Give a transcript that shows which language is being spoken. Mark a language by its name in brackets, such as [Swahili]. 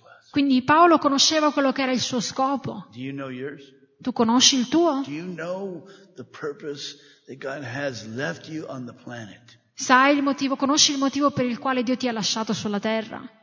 [Italian] Quindi Paolo conosceva quello che era il suo scopo. [English] Do you know yours? [Italian] Tu conosci il tuo? [English] Do you know the purpose that God has left you on the planet? [Italian] Sai il motivo, conosci il motivo per il quale Dio ti ha lasciato sulla terra?